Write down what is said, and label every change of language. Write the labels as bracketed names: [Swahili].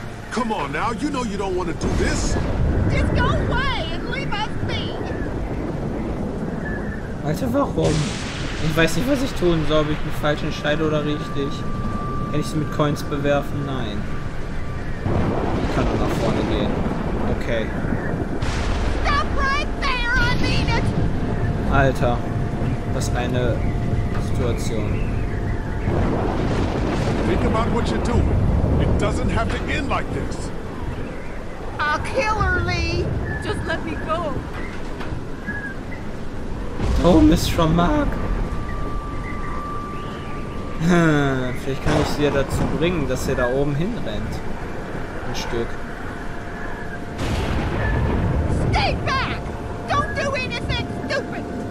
[English] Come on now, you know you don't want to do this. Just go away and leave us be. [German] Alter, warum? Ich weiß nicht, was ich tun soll, ob ich mich falsch entscheide oder richtig. Kann ich sie mit Coins bewerfen? Nein. Ich kann doch nach vorne gehen. Okay. [English] Stop right there, I mean it. [German] Alter, was eine Situation. [English] Think about what you're doing. It doesn't have to end like this. I'll kill her, Lee. Just let me go. Oh, Miss Schramark. [German] Vielleicht kann ich sie ja dazu bringen, dass sie da oben hinrennt. Ein Stück. [English] Stay back! Don't do anything stupid!